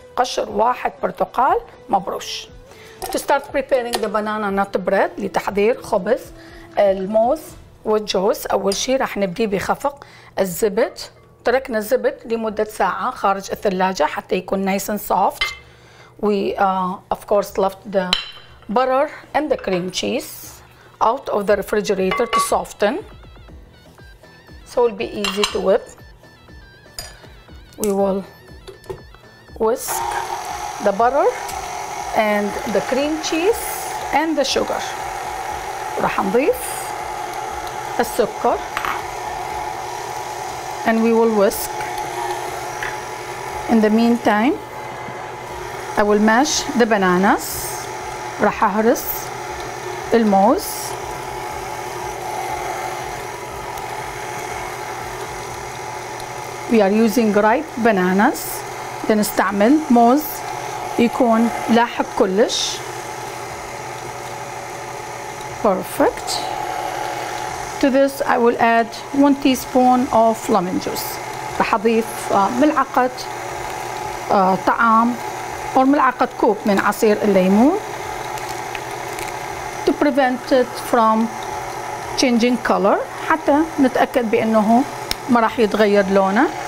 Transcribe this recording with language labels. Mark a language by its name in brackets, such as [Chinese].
[Arabic] قشر 1 برتقال مبروش. [English] To start preparing the banana nut bread, [Arabic] لتحضير خبز الموز والجوز, أول شيء راح نبدي بخفق الزبد. تركنا الزبد لمدة ساعة خارج الثلاجة حتى يكون [English] nice and soft. We of course left the butter and the cream cheese out of the refrigerator to soften, so it will be easy to whip. We will whisk the butter and the cream cheese and the sugar. [Arabic] راح نضيف السكر, [English] and we will whisk. In the meantime, I will mash the bananas. [Arabic] راح أهرس الموز. [English] We are using ripe bananas. [Arabic] بنستعمل موز يكون لاحق كلش. [English] Perfect. To this I will add 1 teaspoon of lemon juice. [Arabic] راح أضيف ملعقة طعام أو ملعقة كوب من عصير الليمون [English] to prevent it from changing color, [Arabic] حتى نتأكد بأنه ما راح يتغير لونه.